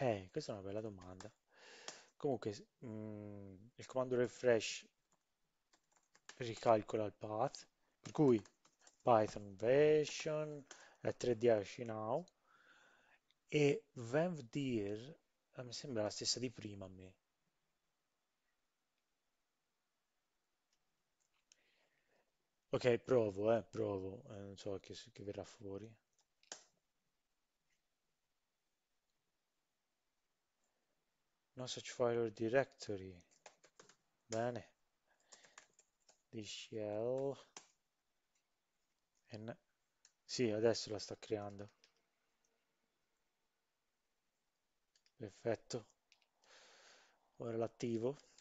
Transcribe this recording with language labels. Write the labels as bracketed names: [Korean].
[Italian] Questa è una bella domanda. Comunque, il comando refresh ricalcola il path, per cui Python version è 3.10 now e vemdir mi sembra la stessa di prima a me. Ok, provo, provo, non so che verrà fuori. [English] No such file or directory. [Italian] Bene. Shell and sì, adesso la sto creando. Perfetto. Ora l'attivo.